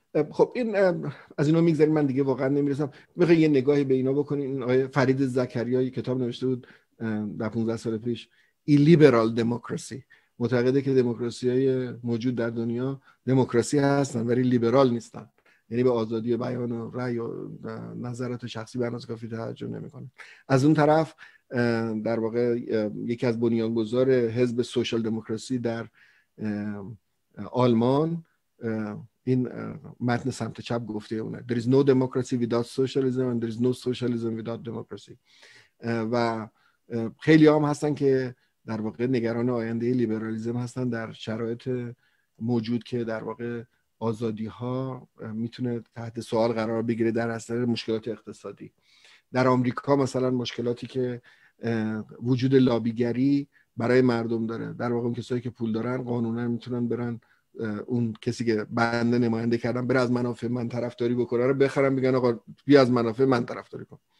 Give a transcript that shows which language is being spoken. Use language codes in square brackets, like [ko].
[fa] خب این از اینا میگذاریم، من دیگه واقعا نمیرسم. بخوای یه نگاهی به اینا بکنین، آیه فرید زکریا یه کتاب نوشته بود در 15 سال پیش، illiberal democracy، معتقده که دموکراسی های موجود در دنیا دموکراسی هستن ولی لیبرال نیستن، یعنی به آزادی بیان و رأی و نظرات شخصی به اندازه کافی توجه نمی کنه. از اون طرف در واقع یکی از بنیانگذار حزب سوشال دموکراسی در آلمان این متن سمت چپ گفته اونه. [en] There is no democracy without socialism and there is no socialism without democracy. [fa] و خیلی هم هستن که در واقع نگران آینده لیبرالیزم هستن در شرایط موجود که در واقع آزادی ها میتونه تحت سوال قرار بگیره در اثر مشکلات اقتصادی. در آمریکا مثلا مشکلاتی که وجود لابیگری برای مردم داره، در واقع اون کسایی که پول دارن قانونا میتونن برن اون کسی که بنده نماینده کردم بره از منافع من طرفداری بکنه رو بخرم، میگن آقا بیا از منافع من طرفداری کن.